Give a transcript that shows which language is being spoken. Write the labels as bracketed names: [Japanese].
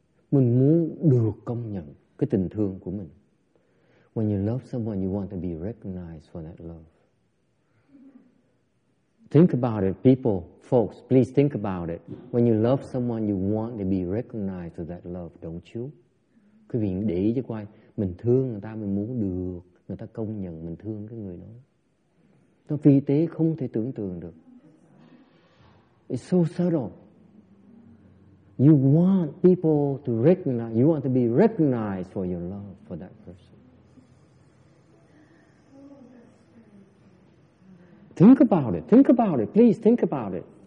[Vietnamese] Mình muốn được công nhận cái tình thương của mình. [English] When you love someone, you want to be recognized for that love. Think about it, people, folks, please think about it. When you love someone, you want to be recognized for that love, don't you? [Vietnamese] Quý vị để ý cho coi, mình thương người ta, mình muốn được người ta công nhận mình thương cái người đó. Nó vi tế không thể tưởng tượng được. [English] It's so subtle. You want people to recognize, you want to be recognized for your love for that person. Think about it. Think about it. Please think about it.